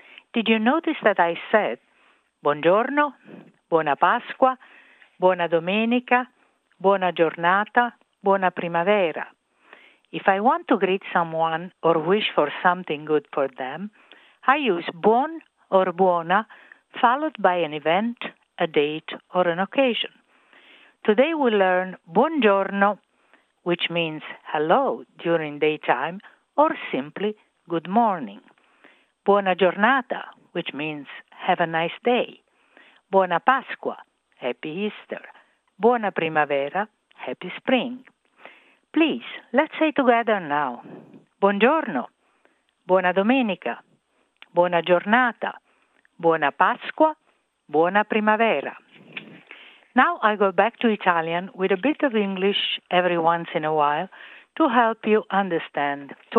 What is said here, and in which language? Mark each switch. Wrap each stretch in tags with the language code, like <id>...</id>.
<en>Did you notice that I said</en> <it>buongiorno, buona Pasqua, buona domenica, buona giornata, buona primavera?</it> <en>If I want to greet someone or wish for something good for them, I use buon or buona followed by an event, a date or an occasion. Today we learn buongiorno, which means hello during daytime or simply good morning.</en> <it>Buona giornata,</it> <en>which means have a nice day.</en> <it>Buona Pasqua,</it> <en>happy Easter.</en> <it>Buona primavera,</it> <en>happy spring. Please, let's say together now.</en> <it>Buongiorno, buona domenica, buona giornata, buona Pasqua, buona primavera.</it> <en>Now I go back to Italian with a bit of English every once in a while to help you understand.</en>